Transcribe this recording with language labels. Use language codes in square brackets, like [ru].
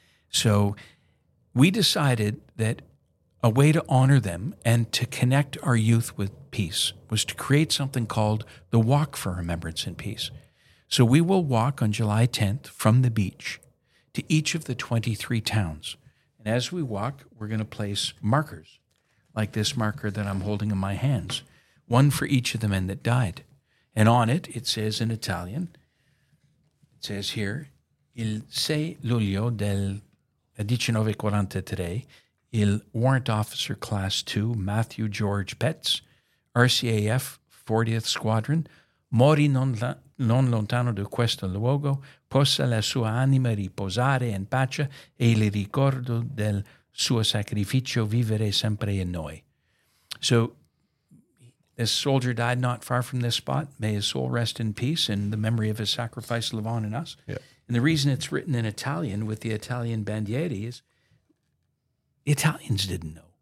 [en] So we decided that a way to honor them and to connect our youth with peace was to create something called the Walk for Remembrance and Peace. So we will walk on July 10th from the beach to each of the 23 towns. And as we walk, we're going to place markers like this marker that I'm holding in my hands. One for each of the men that died. And on it, it says in Italian, it says here, [it] il 6 luglio del 1943, il warrant officer class 2, Matthew George Petz, RCAF 40th Squadron, morì non lontano da questo luogo, possa la sua anima riposare in pace e il ricordo del suo sacrificio vivere sempre in noi. [en] So this soldier died not far from this spot. May his soul rest in peace and the memory of his sacrifice live on in us. Yeah. And the reason it's written in Italian with the Italian bandieri is the Italians didn't know.